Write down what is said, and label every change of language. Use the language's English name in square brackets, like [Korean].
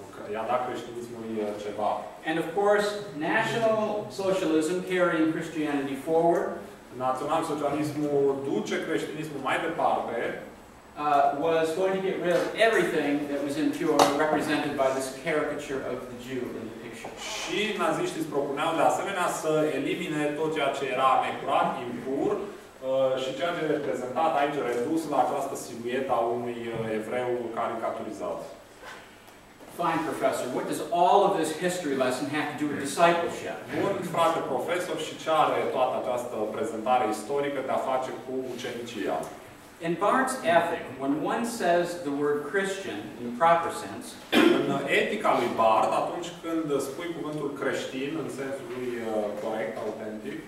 [Romanian] I-a dat creștinismului ceva. [English] And of course, national socialism carrying Christianity forward. [Romanian] Național socialismul duce creștinismul mai departe. [English] Was going to get rid of everything that was impure represented by this caricature of the Jew in the picture. [Romanian] Și naziștii îți propuneau de asemenea să elimine tot ceea ce era necurat, impur, și ceea ce e reprezentat aici redus la această silueta unui evreu caricaturizat. [English] Fine, professor. What does all of this history lesson have to do with discipleship? [Romanian] Bun, frate profesor, și ce are toată această prezentare istorică de a face cu ucenicia? [English] In Barth's ethic, when one says the word Christian in the proper sense, [Romanian] în etica lui Barth, atunci când spui cuvântul creștin în sensul lui corect, autentic,